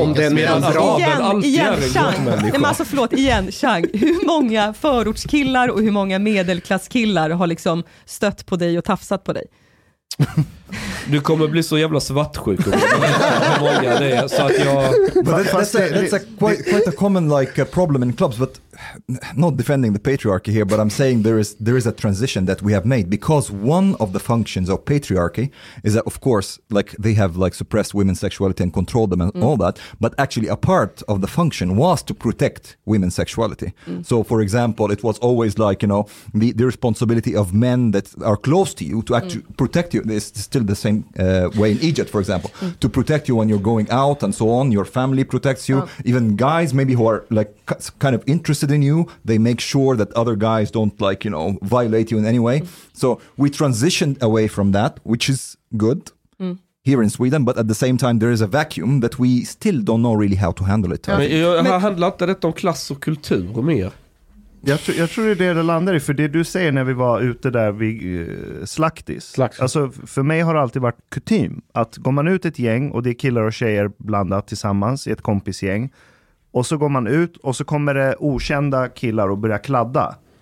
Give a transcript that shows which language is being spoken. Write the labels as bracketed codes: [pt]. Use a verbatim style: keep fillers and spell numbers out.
[sv] Om den är en bra, igen, men alltid igen, är en gottmänniska. Nej, men alltså förlåt, igen, Chang. Hur många förortskillar och hur många medelklasskillar har liksom stött på dig och tafsat på dig? Du kommer bli så jävla svartsjuk om många det är, så att jag [en] but that, that's, a, that's a quite, quite a common like uh, problem in clubs, but not defending the patriarchy here, but I'm saying there is there is a transition that we have made because one of the functions of patriarchy is that of course like they have like suppressed women's sexuality and controlled them and mm. all that, but actually a part of the function was to protect women's sexuality. Mm. So for example, it was always like, you know, the, the responsibility of men that are close to you to actually mm. protect you. It's still the same uh, way in Egypt, for example, mm. to protect you when you're going out and so on. Your family protects you. Oh. Even guys maybe who are like c- kind of interested in you, they make sure that other guys don't like, you know, violate you in any way. Mm. So we transitioned away from that, which is good mm. here in Sweden. But at the same time, there is a vacuum that we still don't know really how to handle it. [sv] Ja. Men jag, jag handlar inte detta om klass och kultur och mer? Jag tror, jag tror det är det det landar i, för det du säger när vi var ute där vid uh, Slaktis. Slaktis. Alltså för mig har det alltid varit kutym att går man ut ett gäng och det är killar och tjejer blandat tillsammans i ett kompisgäng och så går man ut och så kommer det okända killar och börjar kladda.